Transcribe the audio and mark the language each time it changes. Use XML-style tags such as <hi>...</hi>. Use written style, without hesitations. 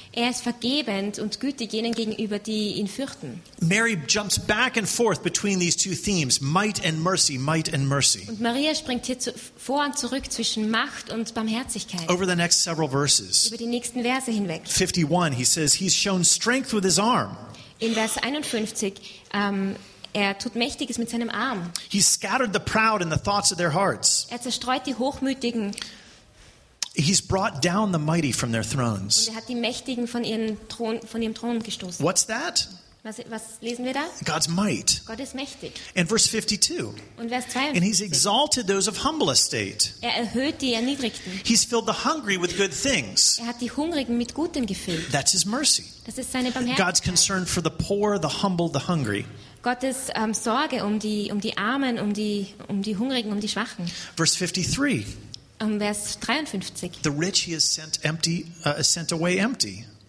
<de>Er ist vergebend und gütig jenen gegenüber, die ihn fürchten.</de> <en>Mary jumps back and forth between these two themes, might and mercy, might and mercy.</en> <de>Und Maria springt hier vor und zurück zwischen Macht und Barmherzigkeit.</de> <en>Over the next several verses.</en> <de>Über die nächsten Verse hinweg.</de> <en>51, he says, he's shown strength with his arm.</en> <de>In Vers 51, er tut Mächtiges mit seinem Arm.</de> <en>He scattered the proud in the thoughts of their hearts.</en> <de>Er zerstreut die Hochmütigen.</de> <en>He's brought down the mighty from their thrones.</en> <de>Und er hat die Mächtigen von ihren Thron, von ihrem Thron gestoßen.</de> <en>What's that?</en> <de>Was lesen wir da?</de> <en>God's might.</en> <de>Gott ist mächtig.</de> <en>And verse 52.</en> <de>Und Vers 52.</de> <en>And he's exalted those of humble estate.</en> <de>Er erhöht die Erniedrigten.</de> <en>He's filled the hungry with good things.</en> <de>Er hat die Hungrigen mit Gutem gefüllt.</de> <en>That's his mercy.</en> <de>Das ist seine Barmherzigkeit.</de> <en>God's concern for the poor, the humble, the hungry.</en> <de>Gottes Sorge um die Armen, um die Hungrigen, um die Schwachen.</de> <en>Verse 53.</en> <de>Vers 53.</de> <en>The rich he has sent away empty.</en>